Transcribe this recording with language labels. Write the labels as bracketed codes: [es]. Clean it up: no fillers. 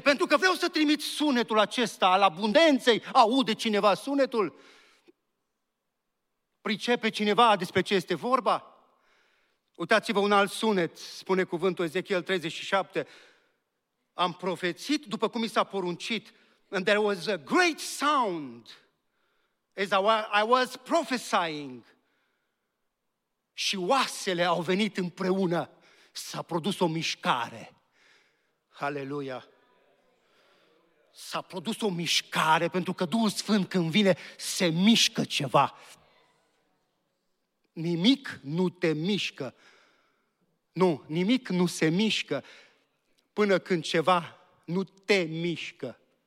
[ro] Pentru că vreau să trimit sunetul acesta al abundenței. Aude cineva sunetul? Pricepe cineva despre ce este vorba? Uitați-vă un alt sunet, spune cuvântul Ezechiel 37. Am profețit după cum mi s-a poruncit. [en] And there was a great sound as I was prophesying. [ro] Și oasele au venit împreună. S-a produs o mișcare. Aleluia! S-a produs o mișcare, pentru că Duhul Sfânt când vine, se mișcă ceva. Nimic nu te mișcă. Nu, nimic nu se mișcă până când ceva nu te mișcă.